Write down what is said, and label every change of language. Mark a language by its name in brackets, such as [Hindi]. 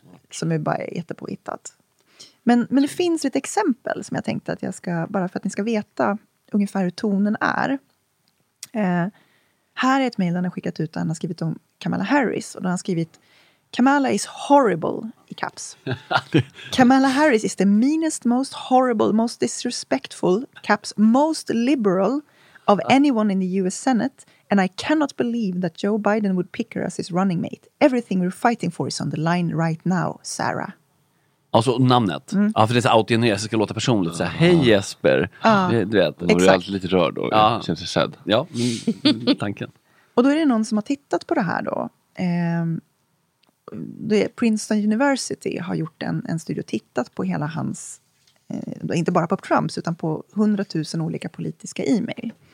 [Swedish] Som är bara jättepåhittat. Men det finns ett exempel som jag tänkte att jag ska, bara för att ni ska veta ungefär hur tonen är. Här är ett mejl han har skickat ut, han har skrivit om Kamala Harris, och då har han skrivit: [English] Kamala is horrible, [Swedish] i caps. [English] Kamala Harris is the meanest, most horrible, most disrespectful, caps, most liberal of anyone in the US Senate, and I cannot believe that Joe Biden would pick her as his running mate. Everything we're fighting for is on the line right now, Sarah. [Swedish] Alltså namnet. Mm. Ja, för det är så autogenerat, så ska låta personligt. Säga, hej Jesper. Ja, du vet, då blir jag alltid lite rörd och känns det sedd. Ja, tanken. Och då är det någon som har tittat på det här då. Det är Princeton University har gjort en studie och tittat på hela hans, inte bara på Trumps, utan på 100 000 olika politiska e-mail.